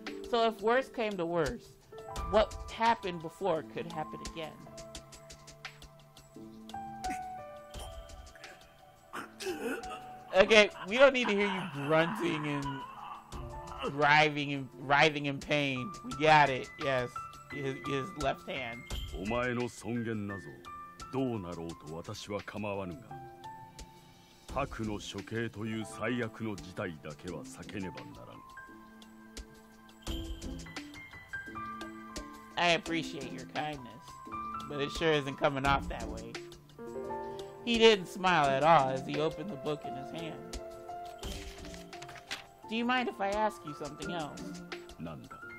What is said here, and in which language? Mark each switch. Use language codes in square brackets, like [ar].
[en] So if worse came to worse, what happened before could happen again. Okay, we don't need to hear you grunting and writhing in pain. We got it, yes. His left hand. [ja] Omae no songen nazo. どうなろうと私は構わぬが、ハクの処刑という最悪の事態だけは避けねばならぬ。 [en] I appreciate your kindness, but it sure isn't coming off that way. He didn't smile at all as he opened the book in his hand. Do you mind if I ask you something else? [ja] なんだ?